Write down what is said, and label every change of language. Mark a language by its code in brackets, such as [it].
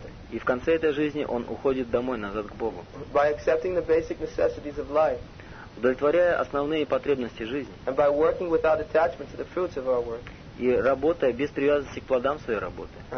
[ru] И в конце этой жизни он уходит домой, назад к Богу. [en] By accepting the basic necessities of life. [ru] Удовлетворяя основные потребности жизни. [en] And by working without attachment to the fruits of our work. [ru] И работая без привязанности к плодам своей работы.